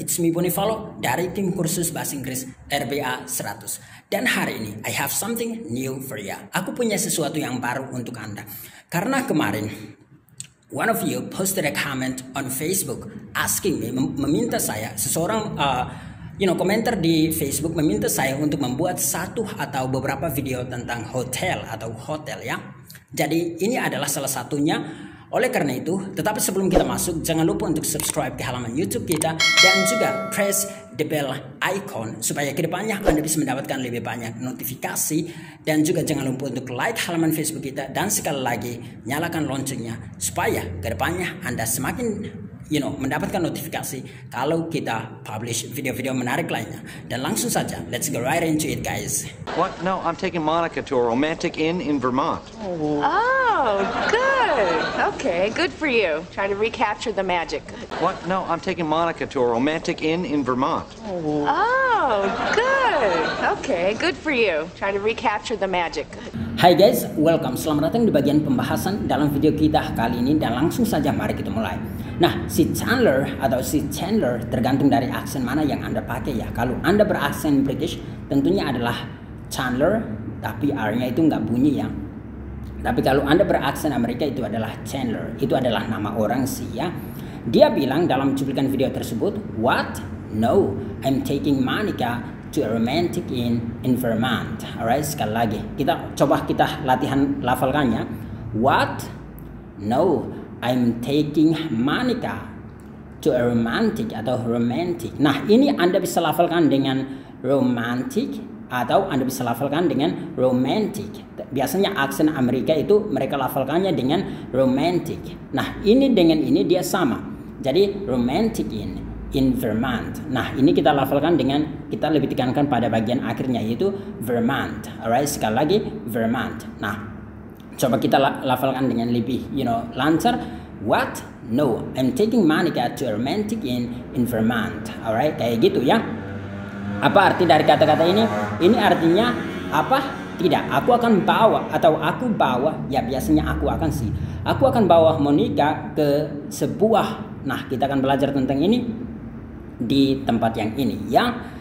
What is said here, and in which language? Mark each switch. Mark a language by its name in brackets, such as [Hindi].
[English] It's me [Indonesian] Bonifalo dari tim kursus Bahasa Inggris RBA 100. Dan hari ini, [English] I have something new for you. [Indonesian] Aku punya sesuatu yang baru untuk Anda. Karena kemarin, [English] one of you posted a comment on Facebook asking me, [Indonesian] meminta saya, seseorang komentar di Facebook meminta saya untuk membuat satu atau beberapa video tentang hotel atau hotel ya. Jadi ini adalah salah satunya. Oleh karena itu, tetapi sebelum kita masuk, jangan lupa untuk subscribe ke halaman YouTube kita dan juga [English] press the bell icon [Indonesian] supaya kedepannya Anda bisa mendapatkan lebih banyak notifikasi. Dan juga jangan lupa untuk like halaman Facebook kita dan sekali lagi nyalakan loncengnya supaya kedepannya Anda semakin mendapatkan notifikasi kalau kita publish video-video menarik lainnya. Dan langsung saja, [English] let's go right into it guys. What? No, I'm taking Monica to a romantic inn in Vermont. Oh, good. Okay, good for you. Trying to recapture the magic. What? No, I'm taking Monica to a romantic inn in Vermont. Oh, good. Okay, good for you. Trying to recapture the magic. Hi guys, welcome. [Indonesian] Selamat datang di bagian pembahasan dalam video kita kali ini dan langsung saja mari kita mulai. Nah, si Chandler atau si Chandler tergantung dari aksen mana yang Anda pakai ya. Kalau Anda beraksen British, tentunya adalah Chandler, tapi R-nya itu nggak bunyi ya. Tapi kalau Anda beraksen Amerika, itu adalah Chandler. Itu adalah nama orang sih ya. Dia bilang dalam cuplikan video tersebut, "What? [English] No, I'm taking Monica to a romantic inn in Vermont." [Indonesian] Alright, sekali lagi. Kita coba kita latihan lafalkannya. [English] What? No. I'm taking Monica to a romantic atau romantic. [Indonesian] Nah, ini Anda bisa lafalkan dengan romantic atau Anda bisa lafalkan dengan romantic. Biasanya aksen Amerika itu mereka lafalkannya dengan romantic. Nah, ini dengan ini dia sama. Jadi [English] romantic in Vermont. [Indonesian] Nah, ini kita lafalkan dengan kita lebih tekankan pada bagian akhirnya yaitu Vermont. Alright, sekali lagi Vermont. Nah, coba kita lafalkan dengan lebih, lancar. [English] What? No, I'm taking Monica to a romantic inn in Vermont. [Indonesian] Alright, kayak gitu ya. Apa arti dari kata-kata ini? Ini artinya apa? Tidak, aku akan bawa atau aku bawa, ya biasanya aku akan sih. Aku akan bawa Monica ke sebuah, nah kita akan belajar tentang ini di tempat yang ini ya.